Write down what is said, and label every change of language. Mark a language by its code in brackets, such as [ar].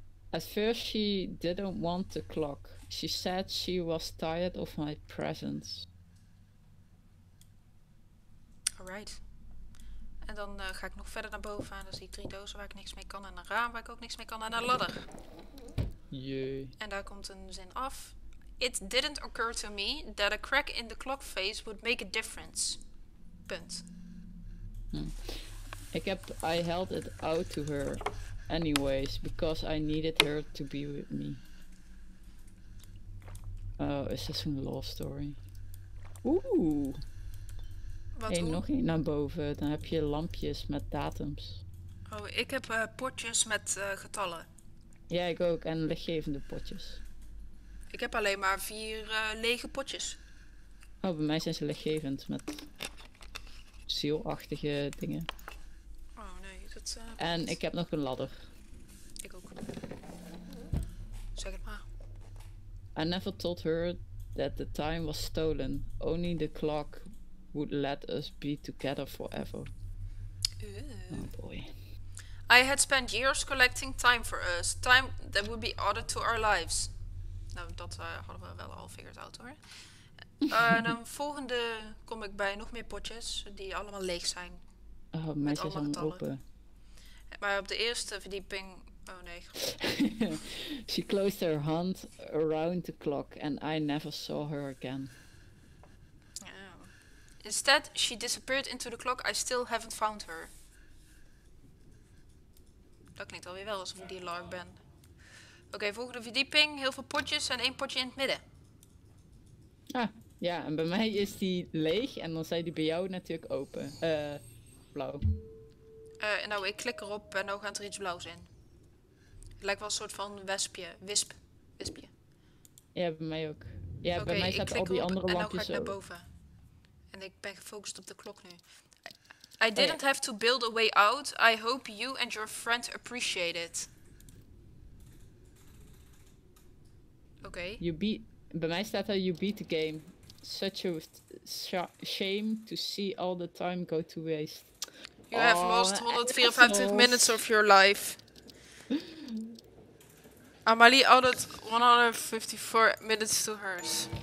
[en] At first she didn't want the clock. She said she was tired of my presence. Alright. [nl] En dan ga ik nog verder naar boven en dan zie ik drie dozen waar ik niks mee kan. En een raam waar ik ook niks mee kan. En een ladder. Jee. En daar komt een zin af. [en] It didn't occur to me that a crack in the clock face would make a difference. [nl] Punt. Ik heb, [en] I held it out to her anyways, because I needed her to be with me. Oh, is this een love story? Oeh! Hey, [nl] nog één naar boven, dan heb je lampjes met datums. Oh, ik heb potjes met getallen. Ja, ik ook, en lichtgevende potjes. Ik heb alleen maar vier lege potjes. Oh, bij mij zijn ze lichtgevend met zielachtige dingen. Oh nee, dat... En ik heb nog een ladder. Ik ook. Zeg het maar. [en] I never told her that the time was stolen. Only the clock would let us be together forever. Oh boy. I had spent years collecting time for us. Time that would be added to our lives. [nl] Nou, dat hadden we wel al [en] figured out [nl] hoor. En dan volgende kom ik bij nog meer potjes die allemaal leeg zijn. Oh, meisjes aan het roepen. Maar op de eerste verdieping... Oh nee. [en] She closed her hand around the clock and I never saw her again. Oh. Instead, she disappeared into the clock. I still haven't found her. [nl] Dat klinkt alweer wel alsof ik die Lark ben. Oké, volgende verdieping. Heel veel potjes en één potje in het midden. Ah, ja. En bij mij is die leeg en dan zijn die bij jou natuurlijk open. Blauw. Nou, ik klik erop en nou gaat er iets blauws in. Het lijkt wel een soort van wespje. Wisp. Wispje. Ja, bij mij ook. Ja, okay, bij mij staat al die andere lampjes zo. En nou ga ik naar boven. En ik ben gefocust op de klok nu. [en] I didn't have to build a way out. I hope you and your friend appreciate it. Oké. Okay. [nl] Bij mij staat er, [en] you beat the game. Such a shame to see all the time go to waste. You have lost 154 minutes of your life. Amalie added 154 minutes to hers.